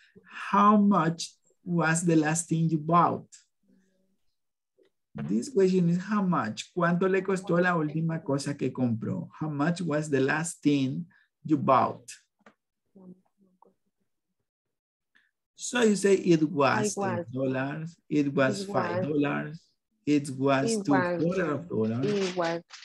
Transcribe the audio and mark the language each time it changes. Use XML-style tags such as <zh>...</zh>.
<en>How much was the last thing you bought? This question is how much?</en> <es>¿Cuánto le costó la última cosa que compró?</es> <en>How much was the last thing you bought? So you say it was $10, it was $5, it was $2.</en>